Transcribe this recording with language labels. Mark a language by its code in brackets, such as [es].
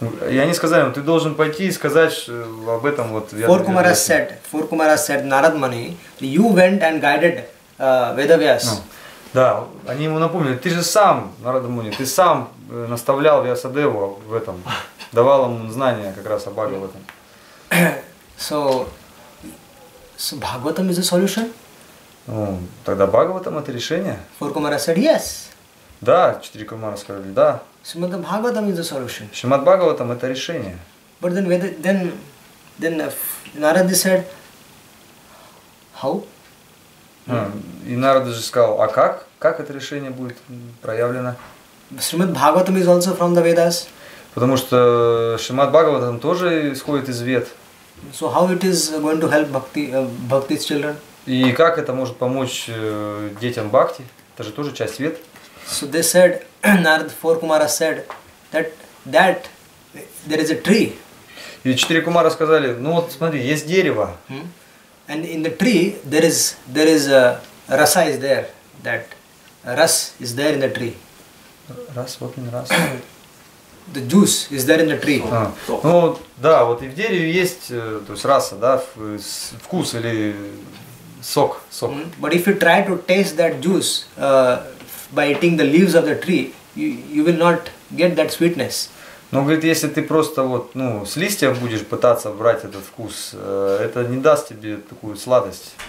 [ru] И они сказали ему, ты должен пойти и сказать об этом вот. [en] Four Kumaras said, Narad Muni, you went and guided Vedavyas. [ru] Да, они ему напомнили, ты же сам, Нарада Муни, ты сам наставлял Вьясадеву в этом, давал ему знания как раз о Бхагавате в этом. [en] So Bhagavatam is the solution? [ru] Ну, тогда Бхагаватам это решение? [en] Four Kumaras said yes. [ru] Да, четыре Кумара сказали да. [en] Shrimad Bhagavatam is the solution. [ru] Shrimad Bhagavatam это решение. [en] But then Narada said, how? [ru] И Нарада же сказал, а как? Как это решение будет проявлено? [en] Shrimad Bhagavatam is also from the Vedas. [ru] Потому что Shrimad Bhagavatam тоже исходит из Вед. [en] So how it is going to help bhakti, bhakti's children? [ru] И как это может помочь детям бхакти? Это же тоже часть Вед. [en] So they said, Narada, four Kumaras said, that there is a tree. [ru] И четыре Кумара сказали, ну вот смотри, есть дерево. [en] And in the tree there is a rasa is there, that ras is there in the tree. Ras, what in ras? The juice is there in the tree. [ru] Ну да, вот и в дереве есть, то есть раса, да, вкус или сок. [en] But if you try to taste that juice by eating the leaves of the tree, you will not get that sweetness. [ru] Но, говорит, если ты просто вот, ну, с листьев будешь пытаться брать этот вкус, это не даст тебе такую сладость.